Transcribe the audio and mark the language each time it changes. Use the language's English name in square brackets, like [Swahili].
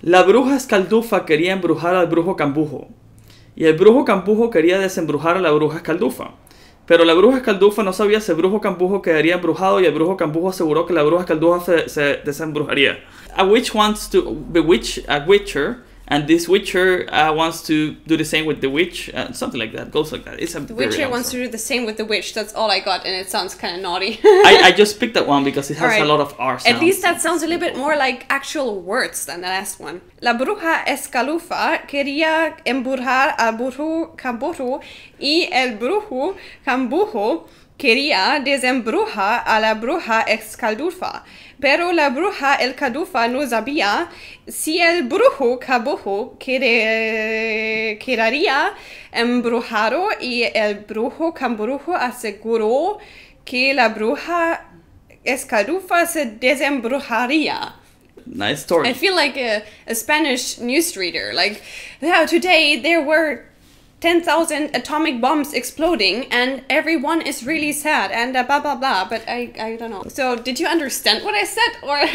[Spanish] La bruja escaldufa quería embrujar al brujo cambujo. Y el brujo cambujo quería desembrujar a la bruja escaldufa. Pero la bruja escaldufa no sabía si el brujo cambujo quedaría embrujado y el brujo cambujo aseguró que la bruja escaldufa se desembrujaría. [English] A witch wants to bewitch a witcher, and this witcher wants to do the same with the witch, something like that, goes like that. It's a the witcher wants to do the same with the witch, that's all I got, and it sounds kind of naughty. I just picked that one because it has a lot of R sounds. At least that sounds a little bit more like actual words than the last one. [Spanish] La bruja escalufa quería embrujar al brujo cambujo y el brujo cambujo Quería desembrujar a la bruja Escaldufa, pero la bruja Escaldufa no sabía si el brujo Cabujo quedaría embrujado, y el brujo Cambrujo aseguró que la bruja Escaldufa se desembrujaría. [English] Nice story. I feel like a Spanish newsreader. Like, yeah, today there were 10,000 atomic bombs exploding and everyone is really sad and blah blah blah, but I don't know. So, did you understand what I said, or?